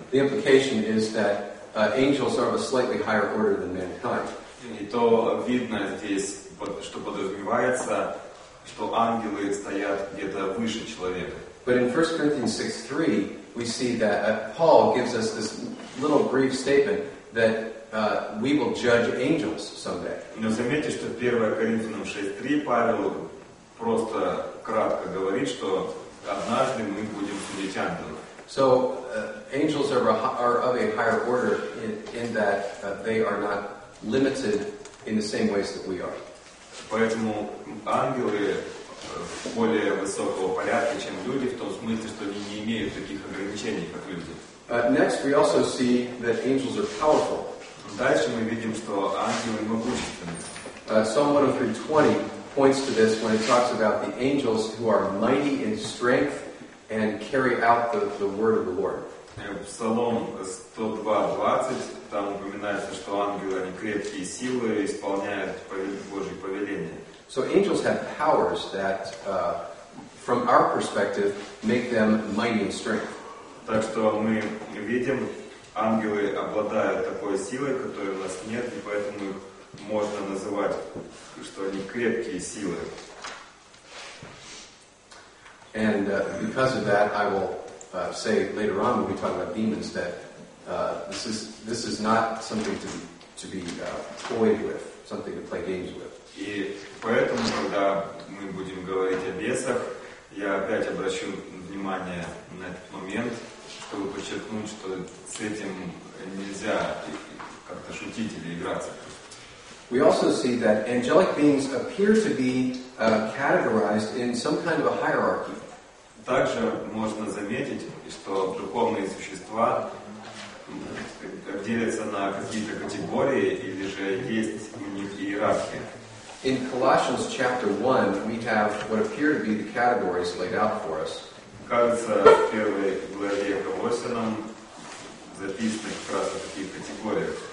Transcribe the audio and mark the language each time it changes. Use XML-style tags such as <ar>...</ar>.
<en>The implication is that angels are of a slightly higher order than mankind.</en> <ru>И то видно здесь, что подразумевается, что ангелы стоят где-то выше человека.</ru> <en>But in 1 Corinthians 6:3, we see that Paul gives us this little brief statement that we will judge angels someday.</en> <ru>Но заметьте, что в 1 Коринфянам 6:3 Павел просто кратко говорит, что однажды мы будем судить ангелов.</ru> <en>So angels are of a higher order in that they are not limited in the same ways that we are.</en> <ru>Поэтому ангелы более высокого порядка, чем люди, в том смысле, что они не имеют таких ограничений, как люди.</ru> <en>Next we also see that angels are powerful.</en> <ru>Дальше мы видим, что ангелы могущественны.</ru> <en>Psalm 103:20 points to this when it talks about the angels who are mighty in strength and carry out the word of the Lord.</en> <ru>Псалом 102:20 там упоминается, что ангелы, они крепкие силы, исполняют Божьи повеления.</ru> <en>So angels have powers that from our perspective make them mighty in strength.</en> <ru>Так что мы видим, ангелы обладают такой силой, которой у нас нет, и поэтому их можно называть, что они крепкие силы.</ru> <en>And because of that, I will say later on when we talk about demons that this is not something to be toyed with, something to play games with.</en> <ru>И поэтому, когда мы будем говорить о бесах, я опять обращу внимание на этот момент, чтобы подчеркнуть, что с этим нельзя как-то шутить или играться.</ru> <en>We also see that angelic beings appear to be categorized in some kind of a hierarchy.</en> <ru>Также можно заметить, что духовные существа делятся на какие-то категории или же есть у них иерархия.</ru> <en>In Colossians chapter 1, we have what appear to be the categories laid out for us.</en> <ru>Кажется, в первой главе Колоссянам записаны как раз такие категории.</ru>